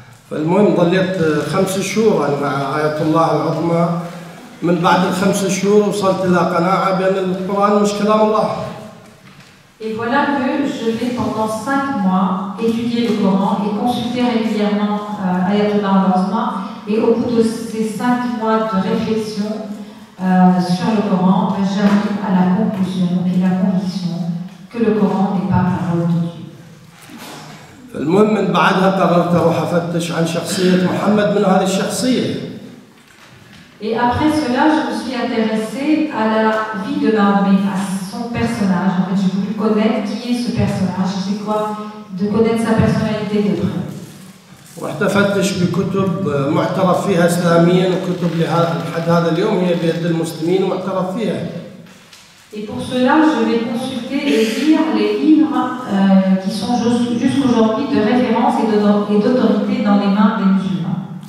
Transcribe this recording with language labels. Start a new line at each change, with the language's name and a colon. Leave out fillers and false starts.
Arabic: فالمهم ظليت خمس شهور مع آية الله العظمى، من بعد الخمس شهور وصلت إلى قناعة بأن القرآن مش كلام الله.
French: Et voilà que je vais pendant 5 mois étudier le Coran et consulter régulièrement Ayatollah al-Azma Et au bout de ces 5 mois de réflexion sur le Coran, j'arrive à la conclusion et la conviction que le Coran n'est pas parole de Dieu.
Arabic: المهم من بعدها قررت اروح افتش عن شخصية محمد من هذه الشخصية.
French: Et après cela, je me suis intéressée à la vie de Mahomet, à son personnage. En fait, j'ai voulu connaître qui est ce personnage, c'est quoi, de connaître sa personnalité de près.
Arabic: ورحت افتش بكتب معترف فيها اسلاميا وكتب لحد هذا اليوم هي بيد المسلمين ومعترف فيها.
French: Et pour cela, je vais consulter et lire les livres qui sont jusqu'aujourd'hui de référence et d'autorité dans les mains des musulmans.